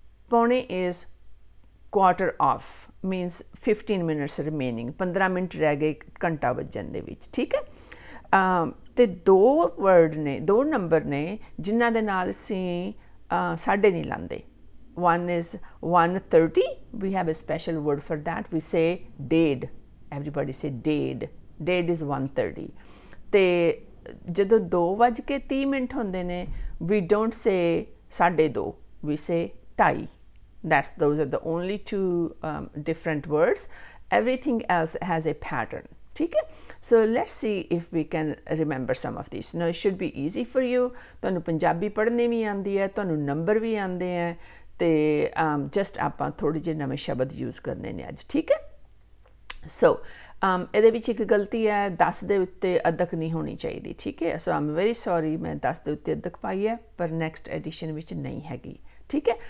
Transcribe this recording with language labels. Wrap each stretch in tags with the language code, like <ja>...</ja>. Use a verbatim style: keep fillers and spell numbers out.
<en>Pone is quarter of, means fifteen minutes remaining. fifteen minute</en> <pa>ਰਹਿ ਗਏ ਘੰਟਾ ਵੱਜਣ ਦੇ ਵਿੱਚ, ਠੀਕ ਹੈ। ਤੇ ਦੋ ਵਰਡ ਨੇ, ਦੋ ਨੰਬਰ ਨੇ ਜਿਨ੍ਹਾਂ ਦੇ ਨਾਲ ਅਸੀਂ ਸਾਢੇ ਨਹੀਂ ਲਾਉਂਦੇ।</pa> <en>One is one thirty. We have a special word for that. We say dead. Everybody say dead. Dead is one thirty.</en> <pa>ਤੇ ਜਦੋਂ ਦੋ ਵੱਜ ਕੇ ਤੀਹ ਮਿੰਟ ਹੁੰਦੇ ਨੇ,</pa> <en>we don't say</en> <pa>ਸਾਢੇ ਦੋ,</pa> <en>we say</en> <pa>ਢਾਈ.</pa> <en>That's those are the only two um, different words. Everything else has a pattern.</en> <pa>ਠੀਕ ਹੈ।</pa> <en>So let's see if we can remember some of these. Now it should be easy for you.</en> <pa>ਤੁਹਾਨੂੰ ਪੰਜਾਬੀ ਪੜ੍ਹਨੀ ਵੀ ਆਉਂਦੀ ਹੈ, ਤੁਹਾਨੂੰ number ਵੀ ਆਉਂਦੇ ਹੈ, ਤੇ ਜਸਟ ਆਪਾਂ ਥੋੜ੍ਹੇ ਜਿਹੇ ਨਵੇਂ ਸ਼ਬਦ ਯੂਜ਼ ਕਰਨੇ ਨੇ ਅੱਜ, ਠੀਕ ਹੈ। ਸੋ ਇਹਦੇ ਵਿੱਚ ਇੱਕ ਗਲਤੀ ਹੈ, ਦਸ ਦੇ ਉੱਤੇ ਅੱਧਕ ਨਹੀਂ ਹੋਣੀ ਚਾਹੀਦੀ, ਠੀਕ ਹੈ।</pa> <en>so I am very sorry,</en> <pa>ਮੈਂ ਦਸ ਦੇ ਉੱਤੇ ਅੱਧਕ ਪਾਈ ਹੈ, ਪਰ ਨੈਕਸਟ ਐਡੀਸ਼ਨ ਵਿੱਚ ਨਹੀਂ ਹੈਗੀ, ਠੀਕ ਹੈ।</pa>